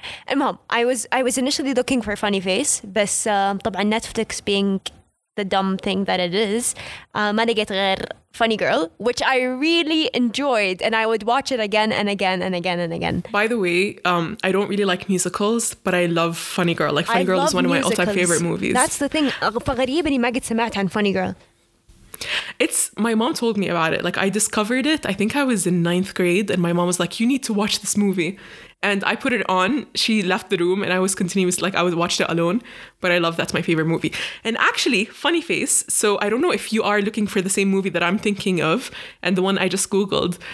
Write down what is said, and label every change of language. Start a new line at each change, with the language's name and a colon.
Arabic: المهم,
English: I was initially looking for funny face,
Arabic: بس طبعا
English: Netflix being the dumb thing that it is,
Arabic: ما لقيت غير
English: Funny Girl, which I really enjoyed, and I would watch it again and again and again and again. By the way, I don't really like musicals, but I love Funny Girl. Like, Funny Girl is one musicals. Of my all-time favorite movies. That's the thing.
Arabic: فغريب اني ما قد سمعت عن Funny Girl.
English: It's my mom told me about it. Like, I discovered it. I think I was in 9th grade, and my mom was like, "You need to watch this movie." And I put it on. She left the room, and I was continuous. Like, I was watched it alone. But I love that's my favorite movie. And actually, funny face. So I don't know if you are looking for the same movie that I'm thinking of, and the one I just Googled.